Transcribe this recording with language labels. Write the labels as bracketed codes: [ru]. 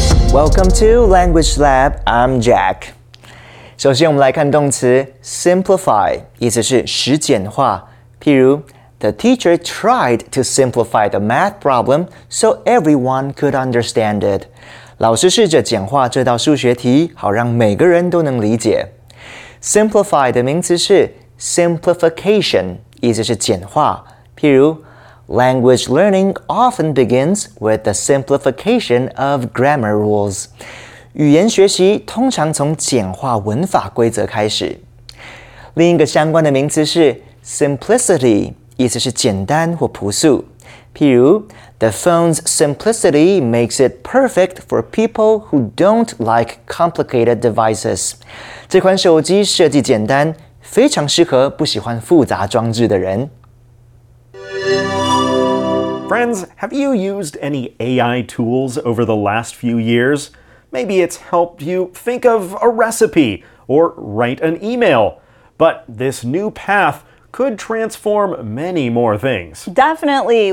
[en] Welcome to Language Lab, I'm Jack. [zh] 首先我们来看动词 simplify, 意思是实简化。 [en] 譬如 the teacher tried to simplify the math problem so everyone could understand it. [zh] 老师试着简化这道数学题好让每个人都能理解。 Simplify 的名词是 simplification, 意思是简化。 [en] 譬如Language learning often begins with the simplification of grammar rules. [zh] 语言学习通常从简化文法规则开始。另一个相关的名词是 simplicity, 意思是简单或朴素。 [en] 譬如 the phone's simplicity makes it perfect for people who don't like complicated devices. [zh] 这款手机设计简单，非常适合不喜欢复杂装置的人。 [en] Friends, have you used any AI tools over the last few years? Maybe it's helped you think of a recipe or write an email. But this new path could transform many more things. Definitely.